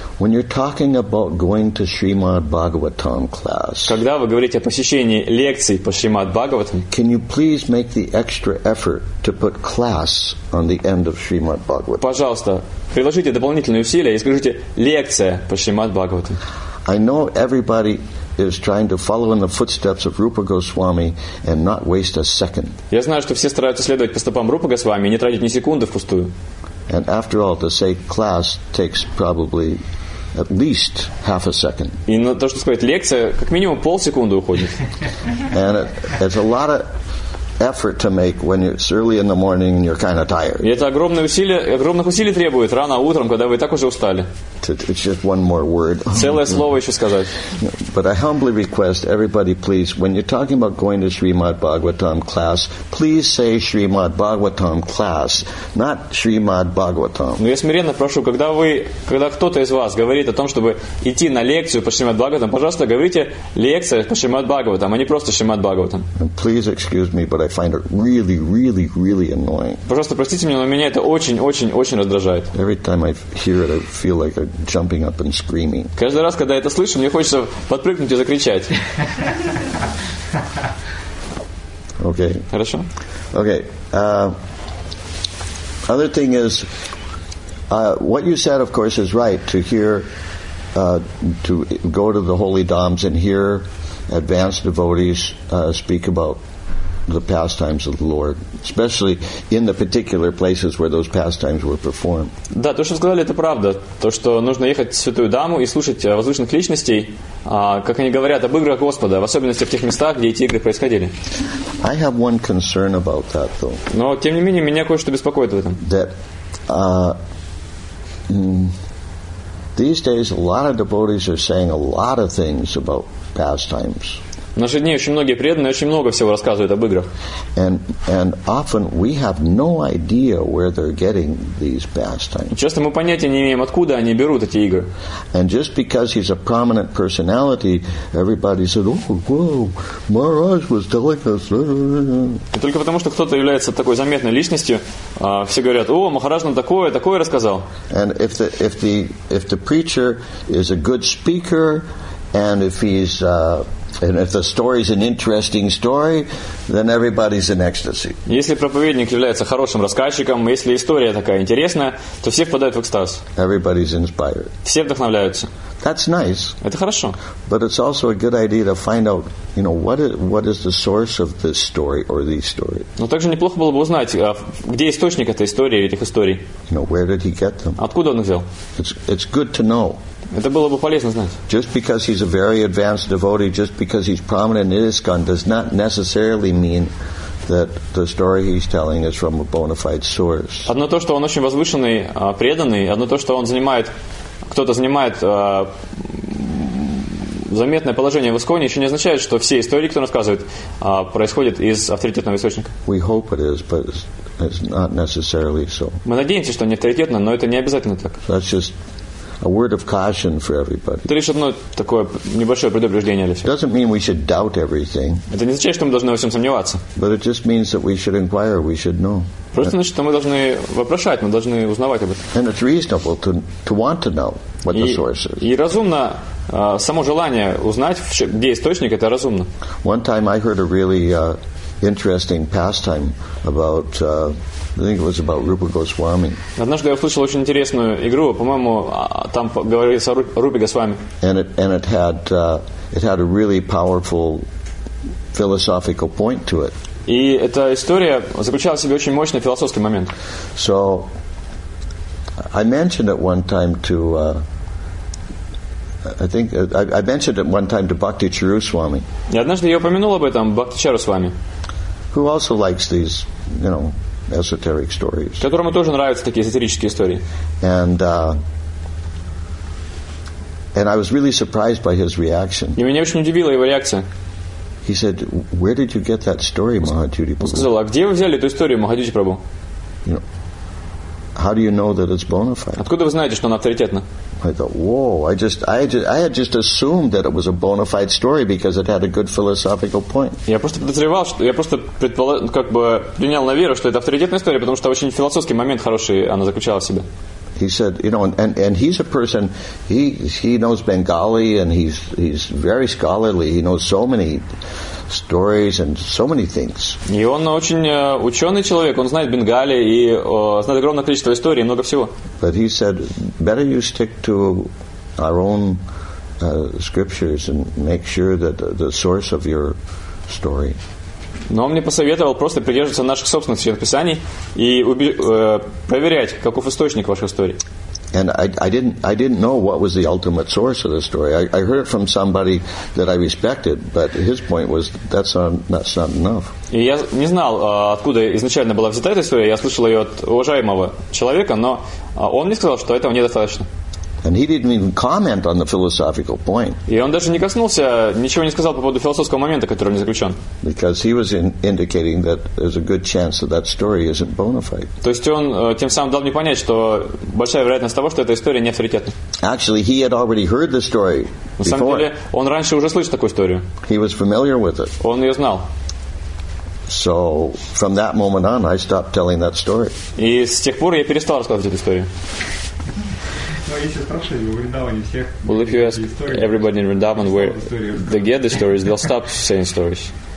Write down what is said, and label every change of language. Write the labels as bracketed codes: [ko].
[en] When you're talking about going to Srimad Bhagavatam class. [ru] Когда вы говорите о посещении лекций по Шримад Бхагаватам. [en] Can you please make the extra effort to put class on the end of Srimad Bhagavatam? [ru] Пожалуйста, приложите дополнительные усилия и скажите лекция по Шримад Бхагаватам. [en] I know everybody is trying to follow in the footsteps of Rupa Goswami and not waste a second. [ru] Я знаю, что все стараются следовать по стопам Рупы Госвами и не тратить ни секунды впустую. [en] And after all, to say class takes probably at least half a second. [ru] И на то, что сказать лекция, как минимум полсекунды уходит. [en] And it's a lot of effort to make when it's early in the morning and you're kind of tired. [ru] И это огромные усилия, огромных усилий требует рано утром, когда вы так уже устали. [en] It's just one more word. [ru] Целое слово еще сказать. [en] But I humbly request everybody, please, when you're talking about going to Srimad Bhagavatam class, please say Srimad Bhagavatam class, not Srimad Bhagavatam. [ru] Но я смиренно прошу, когда кто-то из вас говорит о том, чтобы идти на лекцию по Шримад Бхагаватам, пожалуйста, говорите лекция по Шримад Бхагаватам, а не просто Шримад Бхагаватам. [en] Please excuse me, but I find it really, really, really annoying. [ru] Пожалуйста, простите меня, но меня это очень, очень, очень раздражает. [en] Every time I hear it, I feel like jumping up and screaming. [ru] Каждый раз, когда я это слышу, мне хочется подпрыгнуть и закричать. [en] Okay. [ru] Хорошо. [en] Okay. Other thing is, What you said, of course, is right. To hear, to go to the holy dhams and hear advanced devotees speak about the pastimes of the Lord, especially in the particular places where those pastimes were performed. [ru] Да, то, что вы сказали, это правда. То, что нужно ехать в Святую Даму и слушать возвышенных личностей, как они говорят об играх Господа, в особенности в тех местах, где эти игры происходили. [en] I have one concern about that, though. [ru] Но, тем не менее, меня кое-что беспокоит в этом. [en] That, these days a lot of devotees are saying a lot of things about pastimes. [ru] В наши дни очень многие преданные очень много всего рассказывают об играх. [en] And often we have no idea where they're getting these pastimes. [ru] Часто мы понятия не имеем, откуда они берут эти игры. [en] And just because he's a prominent personality, everybody said, "Oh, whoa, Maharaj was telling us." [ru] И только потому, что кто-то является такой заметной личностью, все говорят: "О, Махарадж нам такое, такое рассказал." [en] And if the preacher is a good speaker, and if he's and if the story is an interesting story, then everybody's in ecstasy. [ru] Если проповедник является хорошим рассказчиком, если история такая интересная, то все впадают в экстаз. [en] Everybody's inspired. [ru] Все вдохновляются. [en] That's nice. [ru] Это хорошо. [en] But it's also a good idea to find out, you know, what is the source of this story or these stories. [ru] Но также неплохо было бы узнать, где источник этой истории или этих историй. [en] You know, where did he get them? [ru] Откуда он их взял? [en] It's good to know. [ru] Это было бы полезно знать. [en] Just because he's a very advanced devotee, just because he's prominent in ISKCON, does not necessarily mean that the story he's telling is from a bona fide source. [ru] Одно то, что он очень возвышенный преданный, одно то, что он занимает, кто-то занимает заметное положение в ИСККОНе, еще не означает, что все истории, которые он рассказывает, происходят из авторитетного источника. [en] We hope it is, but it's not necessarily so. [ru] Мы надеемся, что не авторитетно, но это не обязательно так. [en] That's just a word of caution for everybody. [ru] Это лишь одно такое небольшое предупреждение для всех. [en] Doesn't mean we should doubt everything. [ru] Это не означает, что мы должны во всем сомневаться. [en] But it just means that we should inquire, we should know. [ru] Просто значит, что мы должны вопрошать, мы должны узнавать об этом. [en] And it's reasonable to want to know what the source is. [ru] И разумно само желание узнать, где источник, это разумно. [en] One time I heard a really interesting pastime about I think it was about Rupa Goswami. [ru] Однажды я услышал очень интересную игру, по-моему, там говорилось о Рупе Госвами. [en] And it had a really powerful philosophical point to it. [ru] И эта история заключала в себе очень мощный философский момент. [en] So I mentioned it one time to I mentioned it one time to Bhakti Charu Swami. [ru] Я однажды я упомянул об этом Бхакти Чару Свами. [en] Who also likes these, you know, esoteric stories. [ru] Которому тоже нравятся такие эзотерические истории. [en] And I was really surprised by his reaction. [ru] И меня очень удивила его реакция. [en] He said, "Where did you get that story, Mahajyoti Prabhu?" [ru] Он сказал, а где вы взяли эту историю, Mahajyoti Prabhu? [en] You know, how do you know that it's bona fide? [ru] Откуда вы знаете, что она авторитетна? [en] I thought, whoa, I had just assumed that it was a bona fide story because it had a good philosophical point. [ru] Я просто подозревал, что я просто как бы принял на веру, что это авторитетная история, потому что очень философский момент хороший она заключала в себе. [en] He said, you know, and he's a person, he knows Bengali, and he's very scholarly. He knows so many stories and so many things. [ru] И он очень ученый человек. Он знает Бенгали и знает огромное количество историй, много всего. [en] But he said, better you stick to our own scriptures and make sure that the source of your story. [ru] Но он мне посоветовал просто придерживаться наших собственных священных писаний и проверять, каков источник вашей истории. [en] And I didn't know what was the ultimate source of the story. I heard it from somebody that I respected, but his point was that's not enough. [ru] И я не знал, откуда изначально была взята эта история. Я слышал ее от уважаемого человека, но он мне сказал, что этого недостаточно. [en] And he didn't even comment on the philosophical point. [ru] И он даже не коснулся, ничего не сказал по поводу философского момента, который в нём заключён. [en] Because he was indicating that there's a good chance that story isn't bona fide. [ru] То есть он тем самым дал мне понять, что большая вероятность того, что эта история не авторитетна. [en] Actually, he had already heard the story before. [ru] На самом деле, он раньше уже слышал такую историю. [en] He was familiar with it. [ru] Он её знал. [en] So from that moment on, I stopped telling that story. [ru] И с тех пор я перестал рассказывать эту историю. [en] Well, if you ask everybody in Vrindavan where they get the stories, they'll stop saying stories.